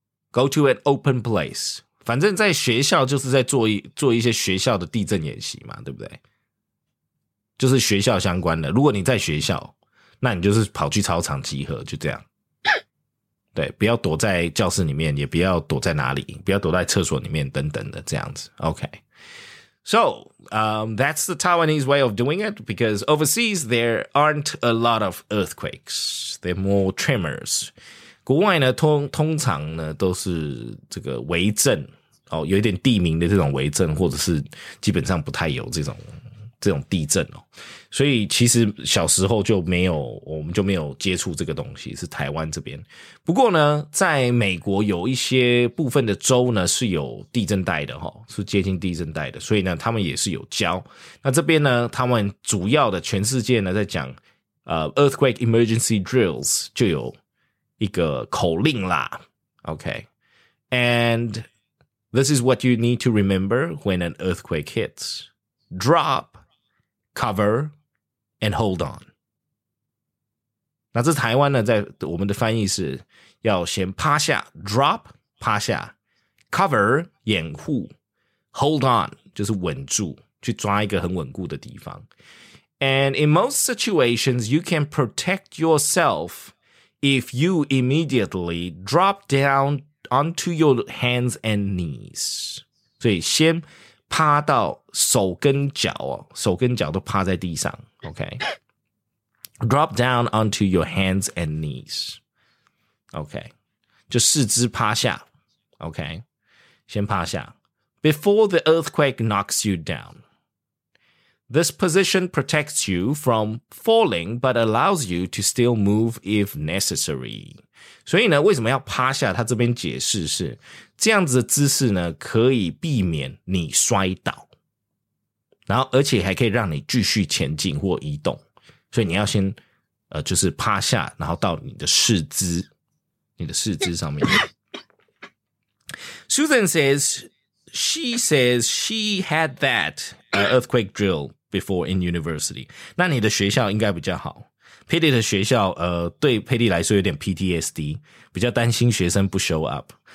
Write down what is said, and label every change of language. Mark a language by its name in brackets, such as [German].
[English] go to an open place, [Chinese] 反正在学校就是在做一些学校的地震演习嘛，对不对？就是学校相关的。如果你在学校，那你就是跑去操场集合，就这样。对，不要躲在教室里面，也不要躲在哪里，不要躲在厕所里面等等的这样子。 [English] OK, so that's the Taiwanese way of doing it because overseas there aren't a lot of earthquakes, they're more tremors. [Chinese] 国外呢通常呢都是这个微震、哦、有一点地名的这种微震，或者是基本上不太有这种地震、哦、所以其实小时候就没有，我们就没有接触这个东西，是台湾这边。不过呢在美国有一些部分的州呢是有地震带的、哦、是接近地震带的，所以呢他们也是有教。那这边呢他们主要的全世界呢在讲 [English] earthquake emergency drills [Chinese] 就有一个口令啦 [English] OK, and this is what you need to remember when an earthquake hits. Drop, cover, and hold on. [Chinese] 那这台湾呢在我们的翻译是要先趴下 drop, 趴下 cover, 掩护 hold on, 就是稳住，去抓一个很稳固的地方。 [English] And in most situations, you can protect yourselfIf you immediately drop down onto your hands and knees. [Chinese] 所以先趴到手跟脚，手跟脚都趴在地上， OK? [English] Drop down onto your hands and knees. [Chinese] OK? 就四肢趴下， OK? 先趴下。 [English] Before the earthquake knocks you down. This position protects you from falling, but allows you to still move if necessary. [Chinese] 所以呢，为什么要趴下？他这边解释是，这样子的姿势呢，可以避免你摔倒，然后而且还可以让你继续前进或移动。所以你要先，就是趴下，然后到你的四肢你的四肢上面。 [English] Susan says, she says she had that earthquake drill before in university. [Chinese] 那你的学校应该比较好。Patty 的学校对 Patty 来说有点 PTSD, 比较担心学生不 show up。